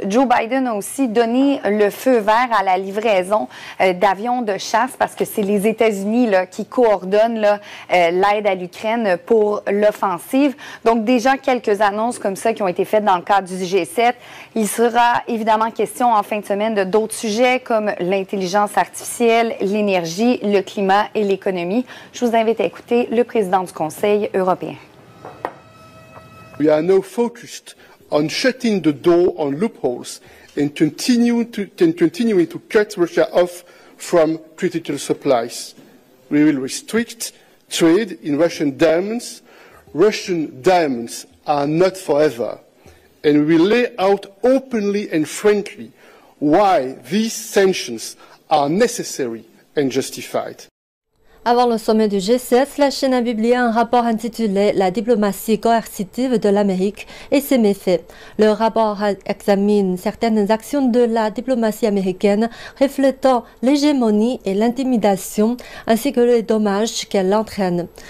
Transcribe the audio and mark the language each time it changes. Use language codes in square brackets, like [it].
[fr] Joe Biden a aussi donné le feu vert à la livraison d'avions de chasse parce que c'est les États-Unis là, qui coordonnent là, l'aide à l'Ukraine pour l'offensive. Donc déjà quelques annonces comme ça qui ont été faites dans le cadre du G7. Il sera évidemment question en fin de semaine de d'autres sujets comme l'intelligence artificielle, l'énergie, le climat et l'économie. Je vous invite à écouter le président du Conseil européen. [en] We are now focused on shutting the door on loopholes and continuing to cut Russia off from critical supplies. We will restrict trade in Russian diamonds. Russian diamonds are not forever. And we lay out openly and frankly why these sanctions are necessary and justified. [fr] Avant le sommet du G7, la Chine a publié un rapport intitulé « La diplomatie coercitive de l'Amérique et ses méfaits ». Le rapport examine certaines actions de la diplomatie américaine reflétant l'hégémonie et l'intimidation, ainsi que les dommages qu'elle entraîne.